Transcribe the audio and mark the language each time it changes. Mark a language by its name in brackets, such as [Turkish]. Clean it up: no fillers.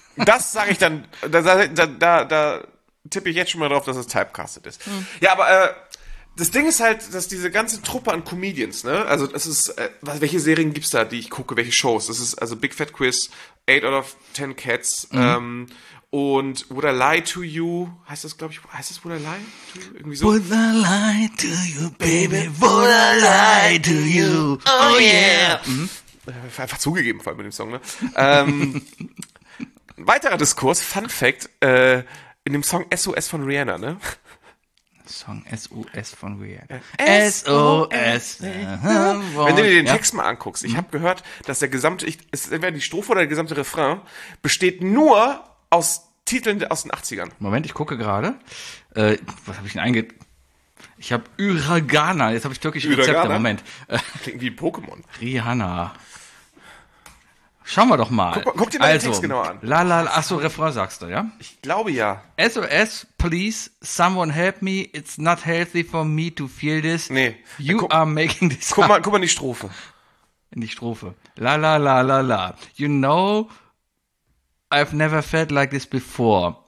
[German] Das sage ich dann, da tippe ich jetzt schon mal drauf, dass es typecasted ist. Mhm. Ja, aber das Ding ist halt, dass diese ganze Truppe an Comedians, ne? Also es ist, welche Serien gibt's da, die ich gucke, welche Shows? Das ist also Big Fat Quiz, 8 out of 10 Cats, und Would I Lie to You, heißt das, glaube ich, heißt das Would I Lie to You? Irgendwie so. [English] Would I Lie to You, Baby, Would I Lie to You, oh yeah. Mhm. [German] Einfach zugegeben, vor allem mit dem Song, ne? Weiterer Diskurs, Fun Fact, in dem Song SOS von Rihanna, ne? Song SOS von Rihanna. SOS. Wenn du dir den Text mal anguckst, ich habe gehört, dass der gesamte, ist entweder die Strophe oder der gesamte Refrain, besteht nur aus Titeln aus den 80ern. Moment, ich gucke gerade. Was habe ich denn ich habe Uragana, jetzt habe ich türkische Rezepte, Moment. Klingt wie ein Pokémon. Rihanna. Schauen wir doch mal. Guck dir deinen Text genau an. Achso, Refrain sagst du, ja? Ich glaube ja. [English] SOS, please, someone help me. It's not healthy for me to feel this. [German] Nee. [English] You are making this. [German] Guck mal in die Strophe. In die Strophe. La la la la la. [English] You know, I've never felt like this before.